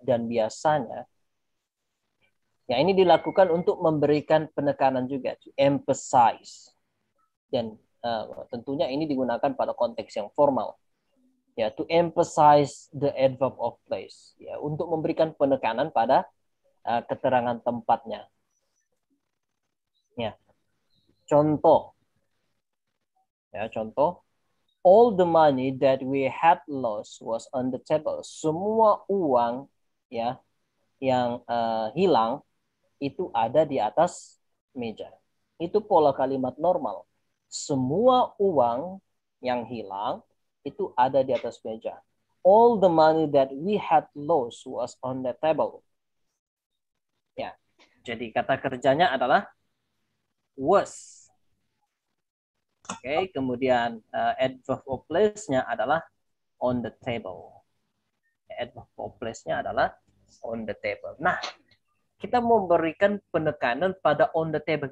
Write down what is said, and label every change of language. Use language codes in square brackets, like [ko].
[id] Dan biasanya, ya ini dilakukan untuk memberikan penekanan juga, [en] to emphasize. [id] Dan tentunya ini digunakan pada konteks yang formal. Ya, [en] to emphasize the adverb of place. [id] Ya, untuk memberikan penekanan pada keterangan tempatnya. Ya. Contoh, ya contoh, [en] all the money that we had lost was on the table. [id] Semua uang ya yang hilang itu ada di atas meja. Itu pola kalimat normal. Semua uang yang hilang itu ada di atas meja. [en] All the money that we had lost was on the table. [id] Ya, jadi kata kerjanya adalah was. Oke, okay, kemudian adverb of place-nya adalah on the table. Adverb of place-nya adalah on the table. Nah, kita memberikan penekanan pada on the table.